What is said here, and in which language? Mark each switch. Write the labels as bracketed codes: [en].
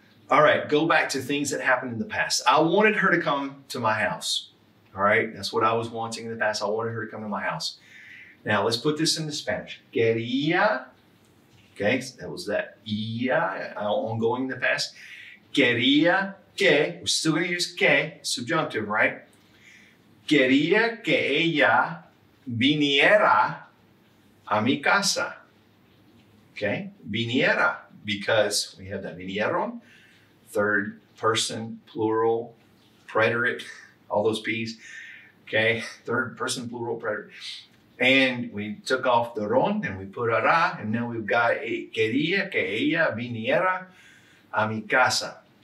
[en] All right, go back to things that happened in the past. I wanted her to come to my house, all right? That's what I was wanting in the past. I wanted her to come to my house. Now, let's put this into Spanish. Quería, okay? That was that ia, ongoing in the past. Quería que, we're still going to use que, subjunctive, right? [es] Quería que ella viniera a mi casa, okay? [en] Viniera, because we have that vinieron, third person, plural, preterite, all those P's, okay? Third person, plural, preterite. And we took off the ron and we put a ra, and now we've got a [es] quería que ella viniera a mi casa.